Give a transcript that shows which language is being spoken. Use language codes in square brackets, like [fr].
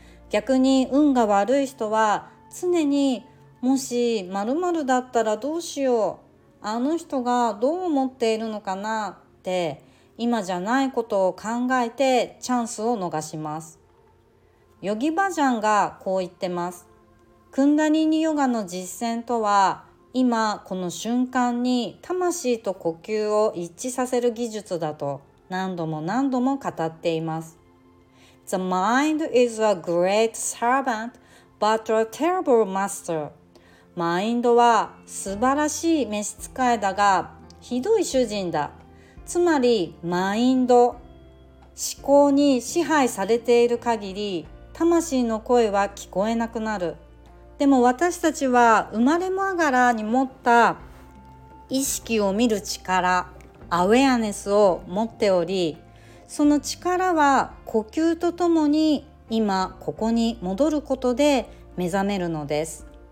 [ja] 逆に運が悪い人は常に、もし〇〇だったらどうしよう、あの人がどう思っているのかなって、今じゃないことを考えてチャンスを逃します。ヨギバジャンがこう言ってます。クンダリニヨガの実践とは、今この瞬間に魂と呼吸を一致させる技術だと何度も何度も語っています。 [en] The mind is a great servant, but a terrible master. [ja] マインドは素晴らしい召使いだが、ひどい主人だ。つまりマインド、思考に支配されている限り、魂の声は聞こえなくなる。でも私たちは生まれながらに持った意識を見る力、アウェアネスを持っており、その力は呼吸とともに今ここに戻ることで目覚めるのです。